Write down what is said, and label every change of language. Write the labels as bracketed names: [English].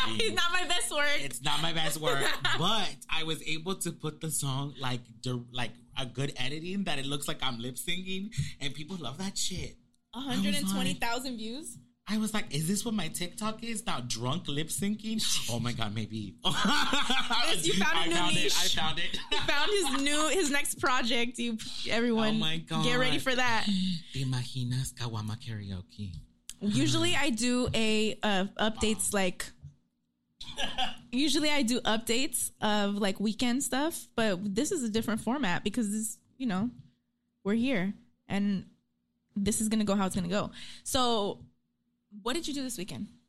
[English] It's not my best work, but I was able to put the song, like a good editing that it looks like I'm lip singing, and people love that shit. 120,000 views? I was like, is this what my TikTok is? That drunk lip syncing? Oh my God, maybe. You found a new niche. I found it. He found his next project. You, everyone, oh my God. Get ready for that. [Spanish] ¿Te imaginas Kawama karaoke? [English] Usually I do updates like... Usually I do updates of like weekend stuff, but this is a different format because this, you know, we're here and this is going to go how it's going to go. So... What did you do this weekend?